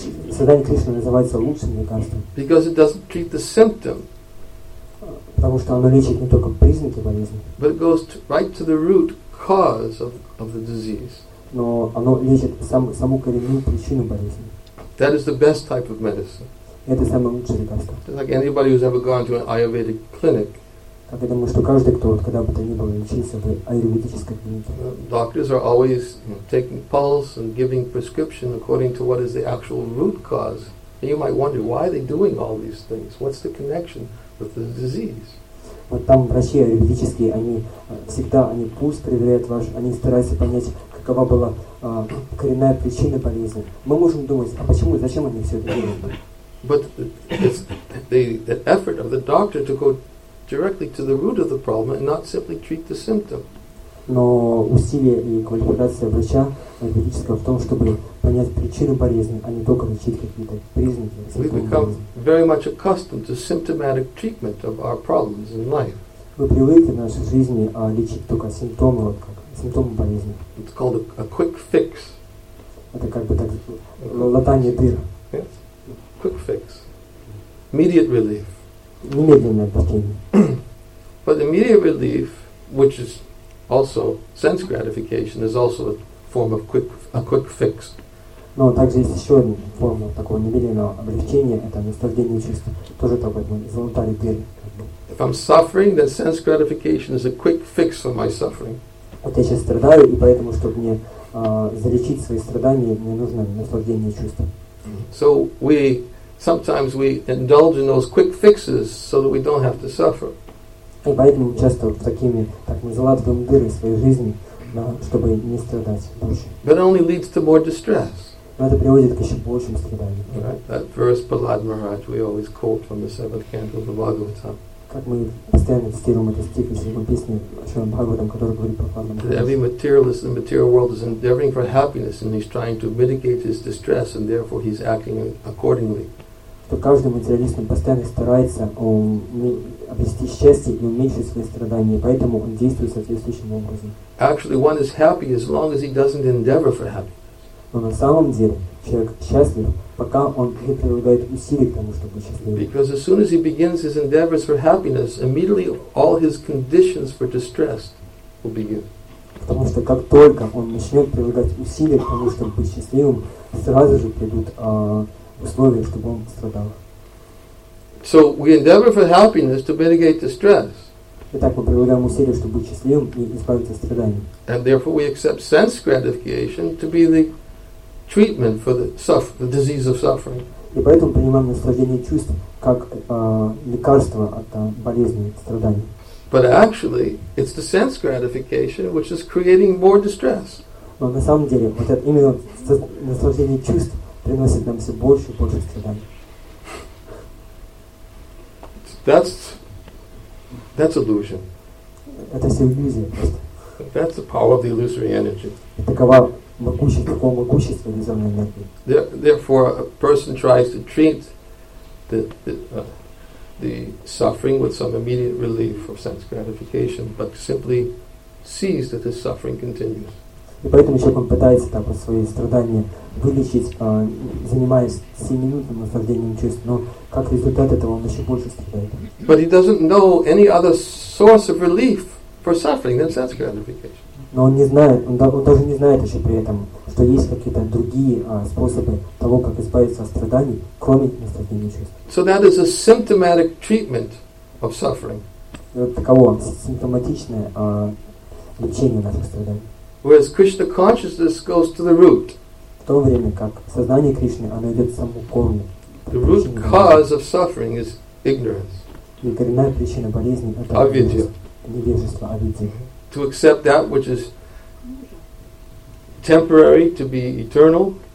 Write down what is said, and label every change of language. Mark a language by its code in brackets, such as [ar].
[ru] Сознание Кришны называется лучшим лекарством. [en] Because it doesn't treat the symptom. [ru] Потому что оно лечит не только признаки болезни. [en] But it goes right to the root cause of the disease. [ru] Но оно лечит саму коренную причину болезни. [en] That is the best type of medicine. [ru] Это самое лучшее лекарство. [en] Just like anybody who's ever gone to an Ayurvedic clinic. [ru] Как я думаю, что каждый, кто вот когда бы то ни было лечился в аюрведической клинике. [en] Doctors are always taking pulse and giving prescription according to what is the actual root cause. And you might wonder, why are they doing all these things? What's the connection with the disease? [ru] Вот там врачи аюрведические, они всегда, они пульс проверяют ваш, они стараются понять, какова была коренная причина болезни. Мы можем думать, а почему, зачем они все это делают? [en] But it's the effort of the doctor to go directly to the root of the problem and not simply treat the symptom. [ru] Но усилия и квалификация врача аюрведического в том, чтобы понять причину болезни, а не только лечить какие-то признаки. [en] We become very much accustomed to symptomatic treatment of our problems in life. [ru] Мы привыкли в нашей жизни лечить только симптомы, вот как симптомы болезни. [en] It's called a quick fix. [ru] Это как бы так латание дыр. [en] Yes. Quick fix. Immediate relief. But immediate relief, which is also sense gratification, is also a form of quick fix. [ru] Но также есть еще одна форма такого немедленного облегчения, это наслаждение чувств, тоже такой золотой дыр. [en] If I'm suffering, then sense gratification is a quick fix for my suffering. [ru] Вот я сейчас страдаю, и поэтому, чтобы мне залечить свои страдания, мне нужно наслаждение чувств. [en] So we. Sometimes we indulge in those quick fixes so that we don't have to suffer. [ru] И поэтому часто такими, так мы залатываем дыры своей жизни, чтобы не страдать больше. [en] But only leads to more distress. [ru] Но это приводит к еще большим страданиям. [en] Right? That verse, Prahlad Maharaj, we always quote from the seventh canto of the Bhagavatam. [ru] Как мы постоянно цитируем этот стих из его песни о Шри Бхагаватам, который говорит про Прахлад Махарадж. [en] Every materialist in the material world is endeavoring for happiness and he's trying to mitigate his distress and therefore he's acting accordingly. [ru] Что каждый материалист постоянно старается обрести счастье и уменьшить свои страдания, поэтому он действует соответствующим образом. [en] Actually, one is happy as long as he doesn't endeavor for happiness. [ru] Но на самом деле человек счастлив, пока он не прилагает усилий к тому, чтобы быть счастливым. [en] Because as soon as he begins his endeavors for happiness, immediately all his conditions for distress will begin. [ru] Потому что как только он начнет прилагать усилия к тому, чтобы быть счастливым, сразу же придут условия, чтобы он страдал. [en] So we endeavor for happiness to mitigate distress. [ru] Итак, мы прилагаем усилия, чтобы быть счастливым и избавиться от страданий. [en] And therefore we accept sense gratification to be the treatment for the disease of suffering. [ru] И поэтому принимаем наслаждение чувств как лекарство от болезни, от страданий. [en] But actually, it's the sense gratification which is creating more distress. [ru] Но на самом деле, вот это именно наслаждение чувств приносит нам все больше и больше страданий. [en] That's illusion. [ru] Это все иллюзия. [en] That's the power of the illusory energy. [ru] Такова могущество, такое могущество иллюзорной энергии. [en] Therefore, a person tries to treat the suffering with some immediate relief of sense gratification, but simply sees that the suffering continues. [ru] И поэтому человек пытается там свои страдания вылечить, занимаясь 7-минутным наслаждением чувств, но как результат этого он еще больше страдает. [en] But he doesn't know any other source of relief for suffering than sense gratification. [ru] Но он не знает, он даже не знает еще при этом, что есть какие-то другие способы того, как избавиться от страданий, кроме наслаждения чувств. [en] So that is a symptomatic treatment of suffering. [ru] Таково симптоматичное лечение наших страданий. [en] Whereas Krishna consciousness goes to the root. [ru] В то время как сознание Кришны, оно идет к самому корню. [en] The root cause of suffering is ignorance. [ru] И коренная причина болезни — это невежество, авидья. [en] To accept that which is temporary to be eternal.